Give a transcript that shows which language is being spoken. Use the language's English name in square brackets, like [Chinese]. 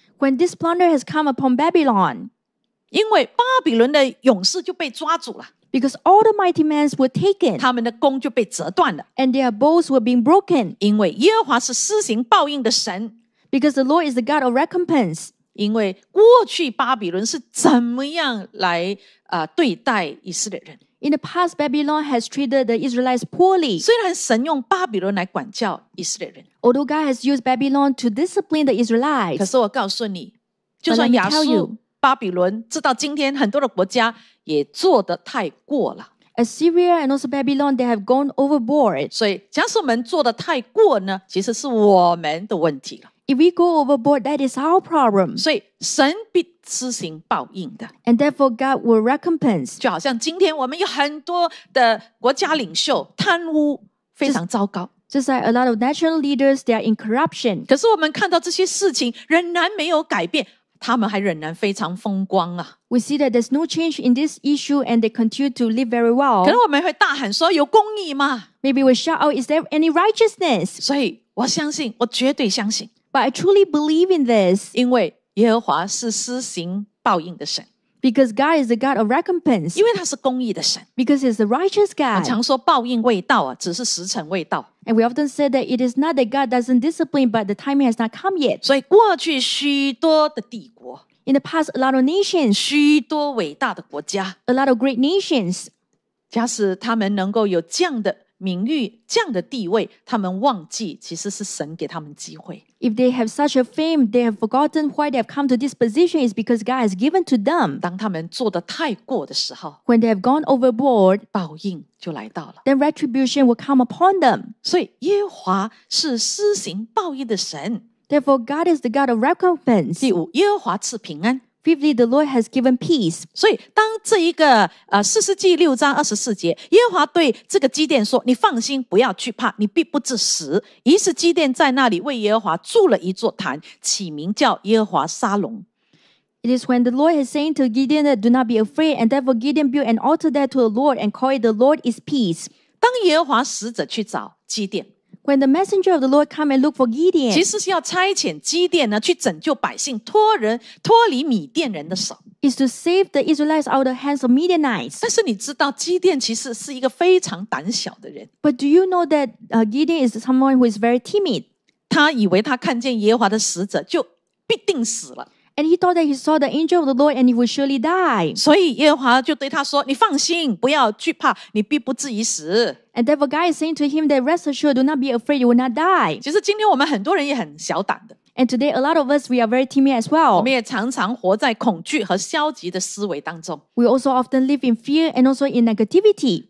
[English] When this plunder has come upon Babylon. [Chinese] 因为巴比伦的勇士就被抓住了。 [English] Because all the mighty men were taken. [Chinese] 他们的弓就被折断了。 [English] And their bows were being broken. [Chinese] 因为耶和华是施行报应的神。 [English] Because the Lord is the God of recompense. [Chinese] 因为过去巴比伦是怎么样来对待以色列人 [English] ？In the past, Babylon has treated the Israelites poorly. [Chinese] 虽然神用巴比伦来管教以色列人 [English] ，although God has used Babylon to discipline the Israelites. [Chinese] 可是我告诉你，就算亚述、巴比伦，直到今天，很多的国家也做得太过了。 [English] Assyria and also Babylon, they have gone overboard. [Chinese] 所以，假使我们做得太过呢，其实是我们的问题了。 [English] If we go overboard, that is our problem. [Chinese] 所以神必施行报应的。 [English] And therefore God will recompense. [Chinese] 就好像今天我们有很多的国家领袖贪污非常糟糕。 [English] Just like a lot of national leaders, they are in corruption. [Chinese] 可是我们看到这些事情仍然没有改变，他们还仍然非常风光啊。 [English] We see that there's no change in this issue and they continue to live very well. [Chinese] 可能我们会大喊说有公义吗？ [English] Maybe we shout out, is there any righteousness? [Chinese] 所以我相信，我绝对相信。 [English] But I truly believe in this. [Chinese] 因为耶和华是施行报应的神。 [English] Because God is the God of recompense. [Chinese] 因为他是公义的神。 [English] Because he's the righteous God. [Chinese] 我常说报应未到啊，只是时辰未到。 [English] And we often say that it is not that God doesn't discipline, but the timing has not come yet. [Chinese] 所以过去许多的帝国。 [English] In the past, a lot of nations. [Chinese] 许多伟大的国家。 [English] A lot of great nations. [Chinese] 假使他们能够有这样的名誉，这样的地位，他们忘记其实是神给他们机会。 [English] If they have such a fame, they have forgotten why they have come to this position is because God has given to them. [Chinese] 当他们做得太过的时候 [English] ，When they have gone overboard, [Chinese] 报应就来到了。 [English] Then retribution will come upon them. [Chinese] 所以耶和华是施行报应的神。 [English] Therefore, God is the God of recompense. [Chinese] 第五，耶和华赐平安。 [English] Fifthly, the Lord has given peace. [Chinese] 所以当这一个四世纪六章二十四节，耶和华对这个基甸说：“你放心，不要惧怕，你必不致死。” 于是基甸在那里为耶和华筑了一座坛，起名叫耶和华沙龙。 [English] It is when the Lord is saying to Gideon that do not be afraid, and therefore Gideon built an altar there to the Lord and called it the Lord is peace. [Chinese] 当耶和华使者去找基甸。 [English] When the messenger of the Lord come and look for Gideon, [Chinese] 其实是要差遣基甸呢去拯救百姓，脱离米甸人的手。 [English] Is to save the Israelites out of the hands of Midianites. [Chinese] 但是你知道，基甸其实是一个非常胆小的人。 [English] But do you know that Gideon is someone who is very timid? [Chinese] 他以为他看见耶和华的使者就必定死了。 [English] And he thought that he saw the angel of the Lord and he would surely die. [Chinese] 所以耶和华就对他说，你放心，不要惧怕，你必不至于死。 [English] And therefore God is saying to him that rest assured, do not be afraid, you will not die. [Chinese] 其实今天我们很多人也很小胆的。 [English] And today a lot of us, we are very timid as well. [Chinese] 我们也常常活在恐惧和消极的思维当中。 [English] We also often live in fear and also in negativity.